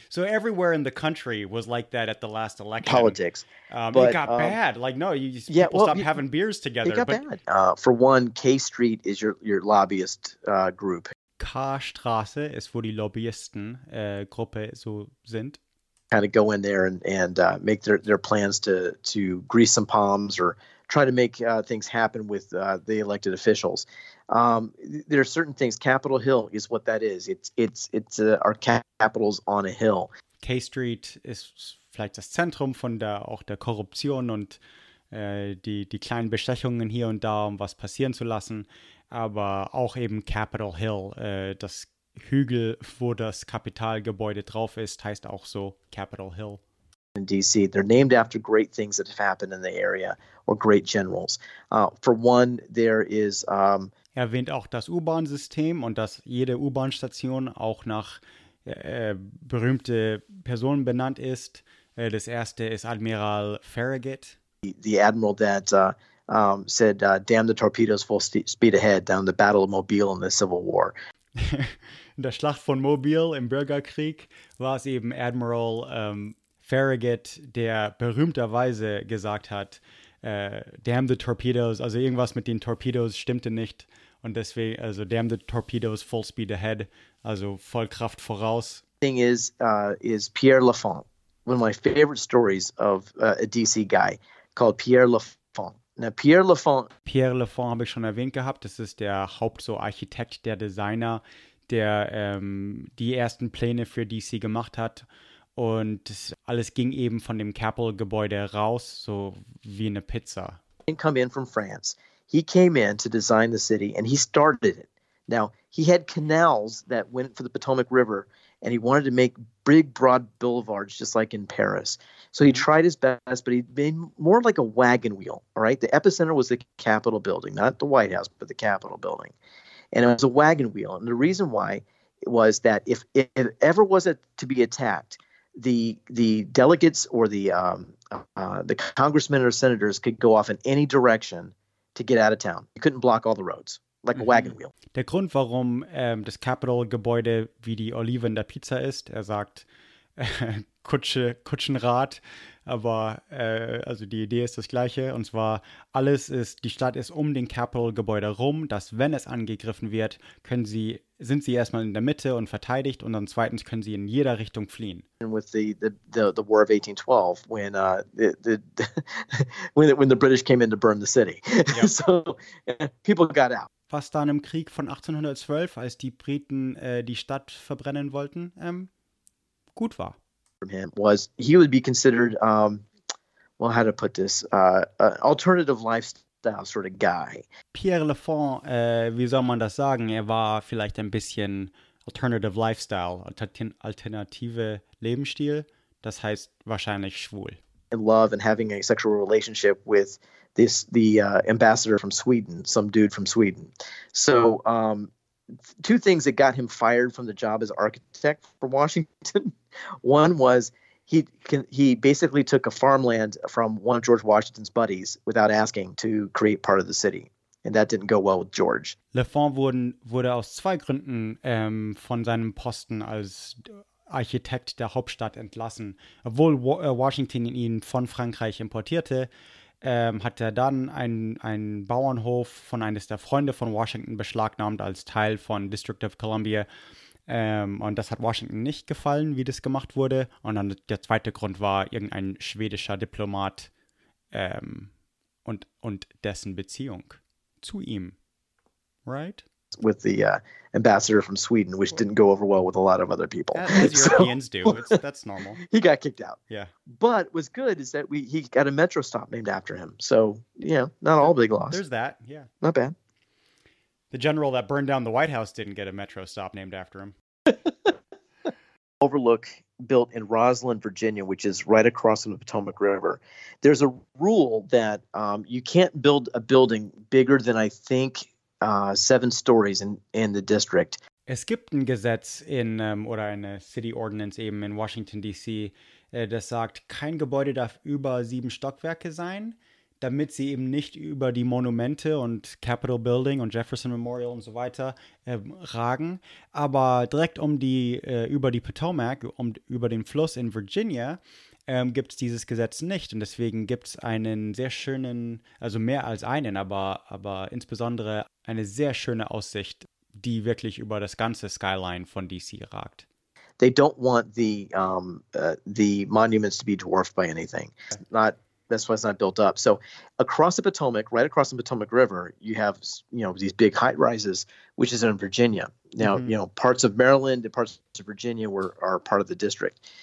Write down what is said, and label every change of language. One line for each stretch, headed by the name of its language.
English: So everywhere in the country was like that at the last election. Politics. But it got bad. Like, no, people stopped having beers together. It got bad. For one, K Street is your lobbyist group.
German: K-Straße ist, wo die Lobbyisten-Gruppe so sind.
English: Kind of go in there and make their plans to grease some palms or try to make things happen with the elected officials. There are certain things. Capitol Hill is what that is. It's our capital's on a hill.
German: K Street ist vielleicht das Zentrum von der Korruption und die kleinen Bestechungen hier und da, um was passieren zu lassen. Aber auch eben Capitol Hill, das Hügel, wo das Kapitalgebäude drauf ist, heißt auch so Capitol Hill.
English: In D.C., they're named after great things that have happened in the area or great generals. For one, there is...
German: Er erwähnt auch das U-Bahn-System und dass jede U-Bahn-Station auch nach berühmte Personen benannt ist. Das erste ist Admiral Farragut.
English: The Admiral that... said, damn the torpedoes, full speed ahead, down the Battle of Mobile in the Civil War.
German: In der Schlacht von Mobile im Bürgerkrieg war es eben Admiral Farragut, der berühmterweise gesagt hat,
English: damn the torpedoes,
German: also irgendwas mit den Torpedos stimmte nicht. Und deswegen, also
English: damn the torpedoes, full speed ahead,
German: also voll Kraft voraus.
English: Thing is Pierre Lafont, one of my favorite stories of a DC guy called Pierre Lafont. Now, Pierre Lafont
German: habe ich schon erwähnt gehabt. Das ist der Hauptarchitekt, der Designer, der die ersten Pläne für DC gemacht hat. Und alles ging eben von dem Capitol-Gebäude raus, so wie eine Pizza.
English: didn't come in from France. He came in to design the city, and he started it. Now, he had canals that went for the Potomac River, and he wanted to make big, broad boulevards just like in Paris. So he tried his best, but he made more like a wagon wheel, all right? The epicenter was the Capitol building, not the White House, but the Capitol building. And it was a wagon wheel. And the reason why was that if ever was it to be attacked, the delegates or the congressmen or senators could go off in any direction to get out of town. You couldn't block all the roads. Like a wagon wheel.
German: Der Grund, warum das Capitol-Gebäude wie die Olive in der Pizza ist, er sagt Kutschenrad, aber also die Idee ist das gleiche. Und zwar, alles ist, die Stadt ist um den Capitol-Gebäude rum, dass wenn es angegriffen wird, sind sie erstmal in der Mitte und verteidigt und dann zweitens können sie in jeder Richtung fliehen.
English: And with the War of 1812, when the British came in to burn the city. Yep. So people got out.
German: Was dann im Krieg von 1812, als die Briten die Stadt verbrennen wollten, gut war.
English: From him was he would be considered, how to put this, alternative lifestyle sort of guy.
German: Pierre Lafont, wie soll man das sagen? Er war vielleicht ein bisschen
English: alternative lifestyle,
German: alternative Lebensstil. Das heißt wahrscheinlich schwul.
English: In love and having a sexual relationship with the ambassador from Sweden, some dude from Sweden. So two things that got him fired from the job as architect for Washington. One was he basically took a farmland from one of George Washington's buddies without asking to create part of the city. And that didn't go well with George.
German: Lafont wurde aus zwei Gründen von seinem Posten als Architekt der Hauptstadt entlassen. Obwohl Washington ihn von Frankreich importierte, hat er dann einen Bauernhof von eines der Freunde von Washington beschlagnahmt als Teil von District of Columbia. Und das hat Washington nicht gefallen, wie das gemacht wurde. Und dann der zweite Grund war irgendein schwedischer Diplomat und dessen Beziehung zu ihm.
English: Right? With the ambassador from Sweden, which didn't go over well with a lot of other people. As Europeans do. That's normal. He got kicked out. Yeah. But what's good is that he got a metro stop named after him. So, yeah, not all big loss. There's that, yeah. Not bad. The general that burned down the White House didn't get a metro stop named after him. Overlook, built in Roslyn, Virginia, which is right across from the Potomac River. There's a rule that you can't build a building bigger than, I think, 7 stories in the district.
German: Es gibt ein Gesetz in oder eine City Ordinance eben in Washington DC, das sagt, kein Gebäude darf über 7 Stockwerke sein, damit sie eben nicht über die Monumente und Capitol Building und Jefferson Memorial und so weiter ragen, aber direkt um die über die Potomac, über den Fluss in Virginia, gibt es dieses Gesetz nicht und deswegen gibt es einen sehr schönen, also mehr als einen, aber insbesondere eine sehr schöne Aussicht, die wirklich über das ganze Skyline von DC ragt.
English: They don't want the monuments to be dwarfed by anything. That's why it's not built up. So across the Potomac, right across the Potomac River, you have, you know, these big height rises, which is in Virginia. Now, mm-hmm. You know, parts of Maryland and parts of Virginia are part of the district.